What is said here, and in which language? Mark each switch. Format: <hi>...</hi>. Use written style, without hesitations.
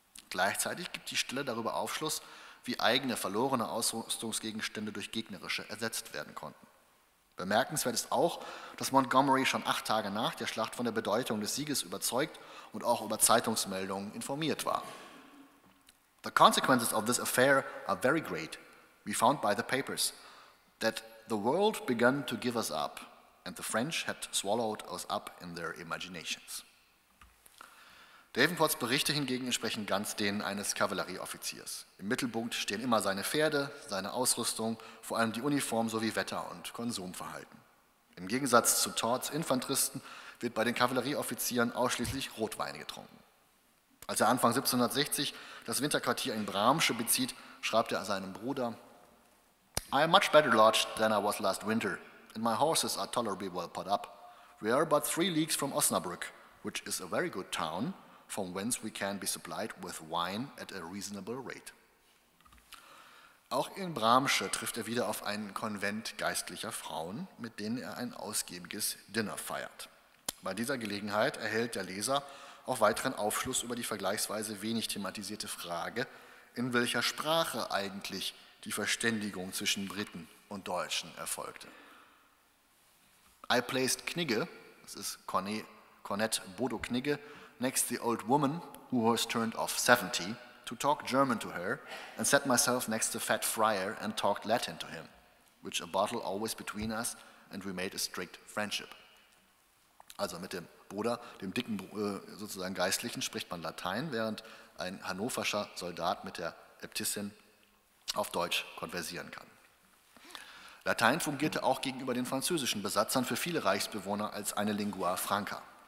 <de>Gleichzeitig gibt die Stelle darüber Aufschluss, wie eigene verlorene Ausrüstungsgegenstände durch gegnerische ersetzt werden konnten. Bemerkenswert ist auch, dass Montgomery schon 8 Tage nach der Schlacht von der Bedeutung des Sieges überzeugt und auch über Zeitungsmeldungen informiert war.</de> <en>"The consequences of this affair are very great. We found by the papers that the world began to give us up and the French had swallowed us up in their imaginations."</en> <de>Davenports Berichte hingegen entsprechen ganz denen eines Kavallerieoffiziers. Im Mittelpunkt stehen immer seine Pferde, seine Ausrüstung, vor allem die Uniform sowie Wetter- und Konsumverhalten. Im Gegensatz zu Todds Infanteristen wird bei den Kavallerieoffizieren ausschließlich Rotwein getrunken. Als er Anfang 1760 das Winterquartier in Bramsche bezieht, schreibt er seinem Bruder:</de> <en>"I am much better lodged than I was last winter, and my horses are tolerably well put up. We are but 3 leagues from Osnabrück, which is a very good town, from whence we can be supplied with wine at a reasonable rate."</en> <de>Auch in Bramsche trifft er wieder auf einen Konvent geistlicher Frauen, mit denen er ein ausgiebiges Dinner feiert. Bei dieser Gelegenheit erhält der Leser auch weiteren Aufschluss über die vergleichsweise wenig thematisierte Frage, in welcher Sprache eigentlich die Verständigung zwischen Briten und Deutschen erfolgte.</de> <en>"I placed Knigge,"</en> <de>das ist Cornett Bodo Knigge,</de> <en>"next the old woman, who was turned off 70, to talk German to her, and set myself next the fat friar and talked Latin to him, which a bottle always between us, and we made a strict friendship."</en> <de>Also mit dem Bruder, dem dicken sozusagen Geistlichen, spricht man Latein, während ein hannoverscher Soldat mit der Äbtissin auf Deutsch konversieren kann. Latein fungierte auch gegenüber den französischen Besatzern für viele Reichsbewohner als eine Lingua Franca.</de>